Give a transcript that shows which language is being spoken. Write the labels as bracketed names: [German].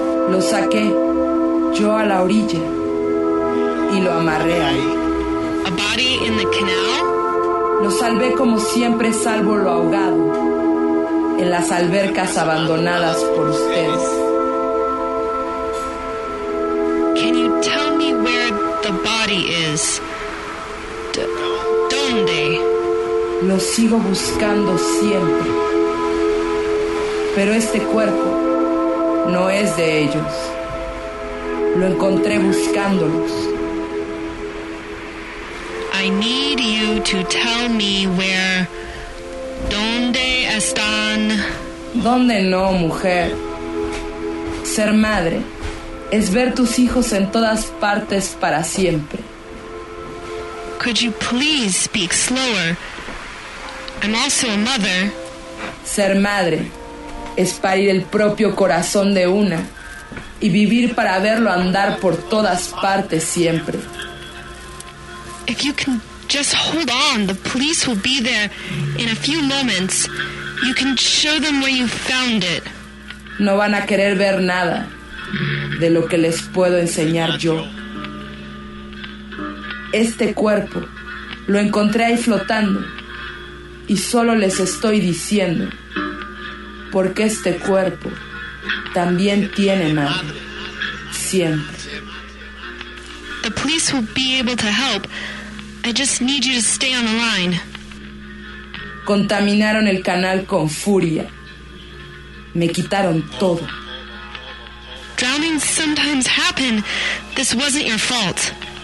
[Spanish] Lo saqué yo a la orilla y lo amarré ahí. [English] A body in the canal? [Spanish] Lo salvé como siempre salvo lo ahogado en las albercas abandonadas por ustedes. [English] Can you tell me where the body is? [Spanish] ¿Dónde? Lo sigo buscando siempre. Pero este cuerpo no es de ellos. Lo encontré buscándolos. [English] I need you to tell me where... [Spanish] ¿Dónde están? ¿Dónde no, mujer? Ser madre es ver tus hijos en todas partes para siempre. [English] Could you please speak slower? I'm also a mother. [Spanish] Ser madre es parir el propio corazón de una y vivir para verlo andar por todas partes siempre. [English] If you can just hold on, the police will be there in a few moments. You can show them where you found it. [Spanish] No van a querer ver nada de lo que les puedo enseñar yo. Este cuerpo lo encontré ahí flotando y solo les estoy diciendo porque este cuerpo también tiene madre, siempre. [English] The police will be able to help. I just need you to stay on the line. [Spanish] Contaminaron el canal con furia. Me quitaron todo. [English] Drownings sometimes happen. This wasn't your fault.